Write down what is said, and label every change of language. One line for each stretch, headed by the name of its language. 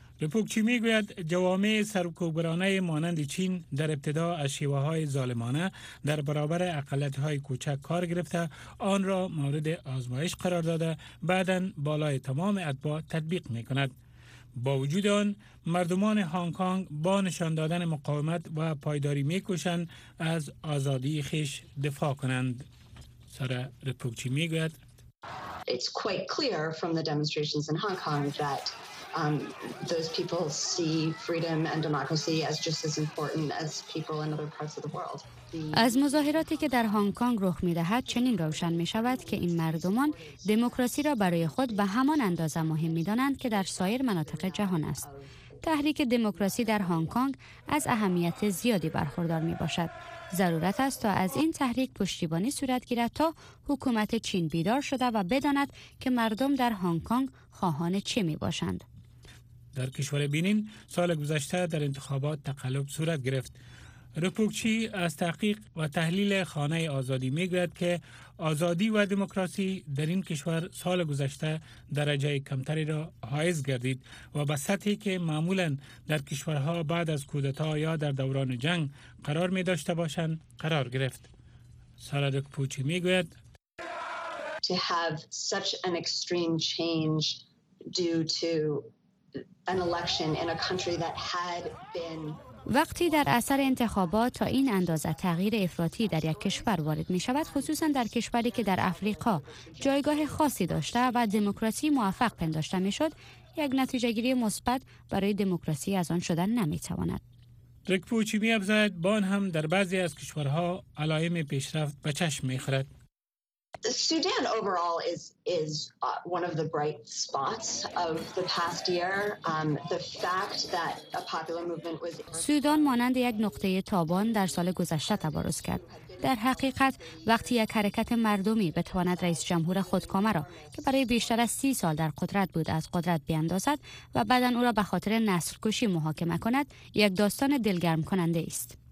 Persian: رپوکچی میگوید جوامع سرکوبگرانه مانند چین در ابتدا از شیوه های ظالمانه در برابر اقلیت های کوچک کار گرفته، آن را مورد آزمایش قرار داده، بعداً بالای تمام اتباع تطبیق میکند. با وجود آن مردمان هانگ کانگ با نشان دادن مقاومت و پایداری میکوشند از آزادی خیش دفاع کنند. سارا رپوکچی میگوید
English: It's quite clear from the demonstrations in Hong Kong that those people see freedom and democracy as just as important as people in other parts of the world.
Persian: از مظاهراتی که در هانگ کانگ رخ می‌دهد چنین روشن می‌شود که این مردمان دموکراسی را برای خود به همان اندازه مهم می‌دانند که در سایر مناطق جهان است. تحریک دموکراسی در هانگ کانگ از اهمیت زیادی برخوردار می‌باشد. ضرورت است تا از این تحریک پشتیبانی صورت گیرد تا حکومت چین بیدار شده و بداند که مردم در هانگ کانگ خواهان چه می باشند. در کشور بنین سال گذشته در انتخابات تقلب صورت گرفت. رپوکچی از تحقیق و تحلیل خانه آزادی می گوید که آزادی و دموکراسی در این کشور سال گذشته درجه کمتری را حائز گردید و به سطحی که معمولاً در کشورها بعد از کودتا یا در دوران جنگ قرار می داشته باشند قرار گرفت. سارا رپوکچی می گوید
English: To have such an extreme change due to an election in a country that had been
Persian: وقتی در اثر انتخابات تا این اندازه تغییر افراطی در یک کشور وارد می شود، خصوصا در کشوری که در افریقا جایگاه خاصی داشته و دموکراسی موفق پنداشته می شد، یک نتیجه گیری مثبت برای دموکراسی از آن شدن نمی تواند. رکپوچی می افزاید با آن هم در بعضی از کشورها علائم پیشرفت به چشم می خورد.
English: Sudan overall is one of the bright spots of the past year. The fact that a popular movement was
Persian: Sudan مانند یک نقطه تابان در سال گذشته تبارز کرد. در حقیقت وقتی یک حرکت مردمی بتواند رئیس جمهور خودکامه را که برای بیشتر از 30 سال در قدرت بود از قدرت بیاندازد و بعداً او را به خاطر نسل‌کشی محاکمه کند، یک داستان دلگرم کننده است.